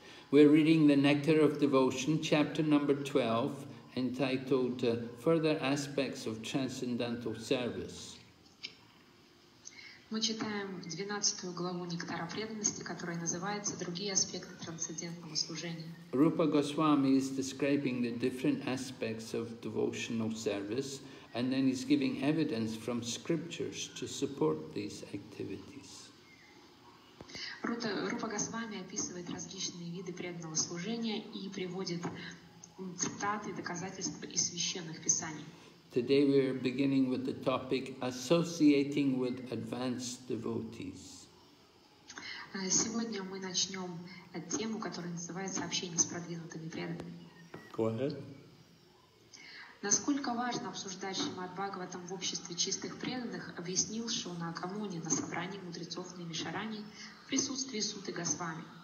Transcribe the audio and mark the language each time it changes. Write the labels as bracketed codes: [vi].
[en] We're reading the Nectar of Devotion, chapter number 12, entitled Further Aspects of Transcendental Service. [ru] Мы читаем 12 главу Нектара преданности, которая называется «Другие аспекты трансцендентного служения». [en] Rupa Goswami is describing the different aspects of devotional service, and then he's giving evidence from scriptures to support these activities. [ru] Rupa Goswami описывает различные виды преданного служения и приводит цитаты, доказательства из священных писаний. [en] Today we are beginning with the topic associating with advanced devotees. [ru] Сегодня мы начнем тему, которая называется общение с продвинутыми преданными. [en] Go ahead. [ru] Насколько важно обсуждать Шримад Бхагаватам в обществе чистых преданных, объяснил Шона Акамуни на собрании мудрецов на Имишарани в присутствии Суты Госвами.